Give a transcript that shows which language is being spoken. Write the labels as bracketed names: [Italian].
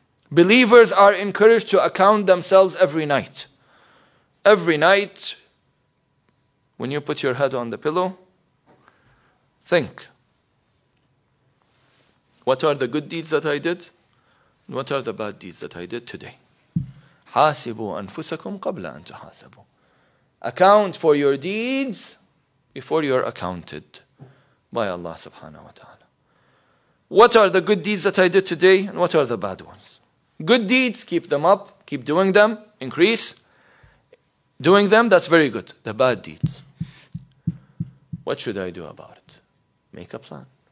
[English] Believers are encouraged to account themselves every night. Every night, when you put your head on the pillow, think. What are the good deeds that I did? And what are the bad deeds that I did today? [Arabic] حاسبوا أنفسكم قبل أن تحاسبوا. [English] Account for your deeds before you're accounted by Allah subhanahu wa ta'ala. What are the good deeds that I did today and what are the bad ones? Good deeds, keep them up, keep doing them, increase. Doing them, that's very good. The bad deeds, what should I do about it? Make a plan.